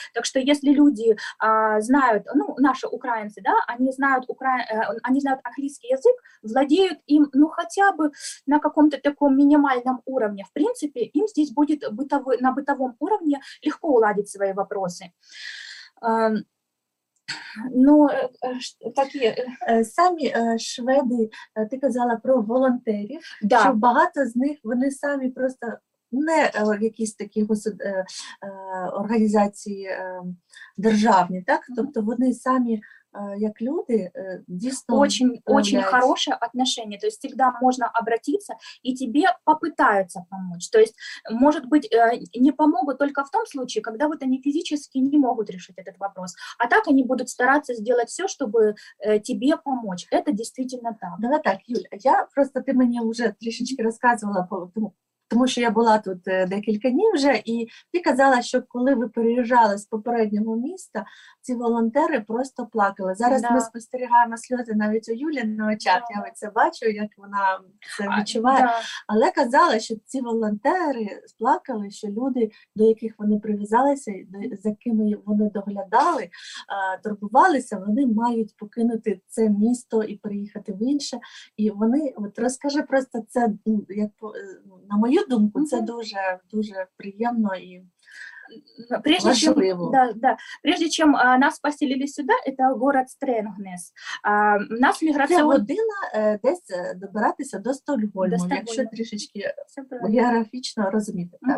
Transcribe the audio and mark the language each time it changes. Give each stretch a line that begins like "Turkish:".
Russian: Так что если люди знают, ну, наши украинцы, да, они знают, они знают английский язык, владеют им, ну, хотя бы на каком-то таком минимальном уровне. В принципе, им здесь будет на бытовом уровне легко уладить свои вопросы.
Ukrainian: Ну, такі самі шведи, ти казала про волонтерів,
Russian: да.
Ukrainian: Що багато з них, вони самі просто не якісь такі організації державні, так? Тобто вони самі як люди дійсно
Russian: очень хороше отношение, то есть всегда можно обратиться и тебе попытаются помочь. То есть, может быть, не помогут только в том случае, когда вот они физически не могут решить этот вопрос. А так они будут стараться сделать все, чтобы тебе помочь. Это действительно так.
Ukrainian: Да, так, Юля, я просто,
Russian: ты мне уже
Ukrainian: трішечки
Russian: рассказывала
Ukrainian: по тому, тому що я була тут декілька днів вже, і ти казала, що коли ви переїжджали з попереднього міста, ці волонтери просто плакали. Зараз да. Ми спостерігаємо сльози навіть у Юлі на очах, да. Я це бачу, як вона це відчуває. Да. Але казала, що ці волонтери плакали, що люди, до яких вони прив'язалися, за якими вони доглядали, турбувалися, вони мають покинути це місто і переїхати в інше. І вони, от розкажи просто це, як на мою думку, це дуже, дуже приємно і
Russian: прежде чем, да, да. Прежде чем нас поселили сюда, это город Стренгнес. Нас миграция... Это
Ukrainian: година десь
Russian: добираться до Стокгольма, если трешечки
Ukrainian: географично разумеете.